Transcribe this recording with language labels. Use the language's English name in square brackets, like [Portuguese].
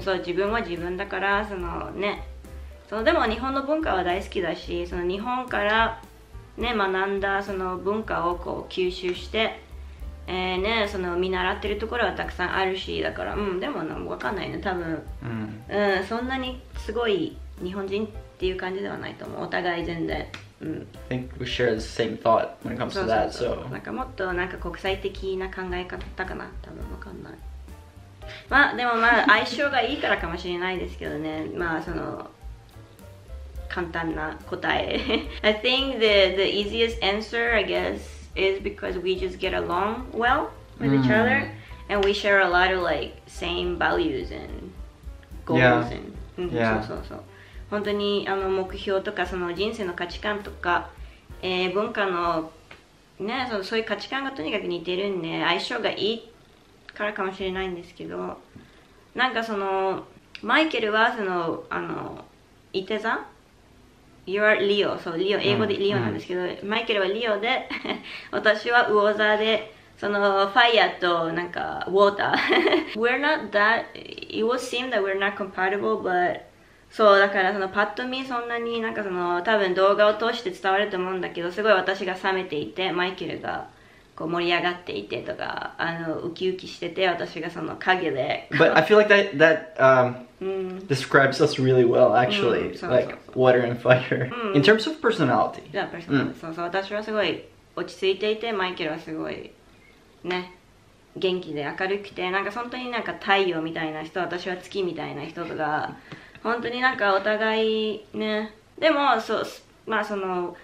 [Japanese] そう、自分は自分だから、そのね、そのでも日本の文化は大好きだし、その日本からね学んだその文化をこう吸収して、ね、その見習ってるところはたくさんあるし、だからうん、でもなんか分かんないね、多分、うん、うん、そんなにすごい日本人っていう感じではないと思う、お互い全然、うん、 [English] I think we share the same thought when it comes to that, so [Japanese] なんかもっとなんか国際的な考え方かな、多分分かんない。まあでもまあ相性がいいからかもしれないですけどね、まあその簡単な答え。 [English] I think the easiest answer, I guess, is because we just get along well with、mm. each other and we share a lot of like same values and goals、 yeah. and、 mm, yeah. [Japanese] そうそうそう、本当にあの目標とかその人生の価値観とか、文化の、ね、そういう価値観がとにかく似てるんで、相性がいいからかもしれないんですけど、なんかそのマイケルはそのあのいて座 [English] You are Leo、 [Japanese] そうリオ、英語でリオなんですけど、うん、マイケルはリオで私は魚座で、そのファイヤーとなんかウォーター [English] We're not that It would seem that we're not compatible but [Japanese] そう、だからそのパッと見そんなになんかその多分動画を通して伝わると思うんだけど、すごい私が冷めていて、マイケルがこう盛り上がっていてとか、あのウキウキしてて、私がその影で。 [English] But I feel like that、describes us really well actually、 [Japanese] うん、そうそうそう、 [English] like water and fire、うん、in terms of personality、 yeah, personality、 [Japanese] うん、そうそう、私はすごい落ち着いていて、マイケルはすごいね元気で明るくて、なんか本当になんか太陽みたいな人、私は月みたいな人とか本当になんかお互いね、でもそう、まあその